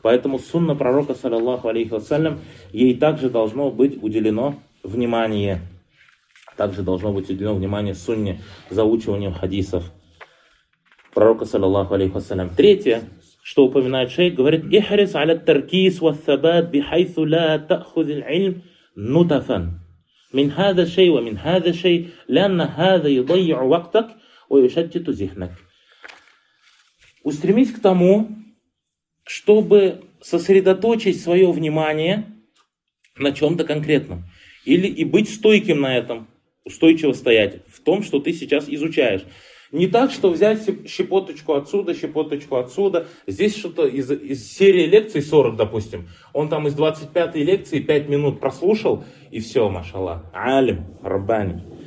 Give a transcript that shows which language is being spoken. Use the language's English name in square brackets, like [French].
[Russian] Поэтому сунна пророка, саллиллаху алейхи вассалям, ей также должно быть уделено внимание. Также должно быть уделено внимание сунне, заучиванием хадисов пророка, саллиллаху алейхи вассалям. Третье, что упоминает шейх, говорит: [Arabic] «Ихрис аля таркис ва-сабад бихайсу ла та'худиль ильм нутафан». من هذا شيء ومن هذا شيء لأن هذا يضيع وقتك ويشتت ذهنك. [Russian] Устремись к тому, чтобы сосредоточить свое внимание на чем-то конкретном, или и быть стойким на этом, устойчиво стоять в том, что ты сейчас изучаешь. Не так, что взять щепоточку отсюда, здесь что-то из серии лекций 40, допустим, он там из 25-й лекции 5 минут прослушал, и все, машалла, алим, рабани.